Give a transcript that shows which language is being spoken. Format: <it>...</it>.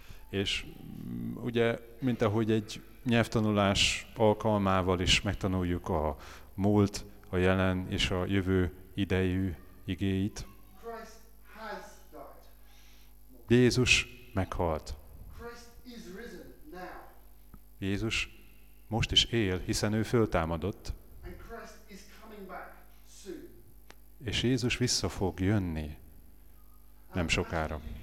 <hu>És ugye, mint ahogy egy nyelvtanulás alkalmával is megtanuljuk a múlt, a jelen és a jövő idejű igéit.</hu> <en>Christ has died.</en> <hu>Jézus meghalt.</hu> <en>Christ is risen now.</en> <hu>Jézus most is él, hiszen ő föltámadott.</hu> <en>And Christ is coming back soon.</en> <hu>És Jézus vissza fog jönni nem sokára.</hu>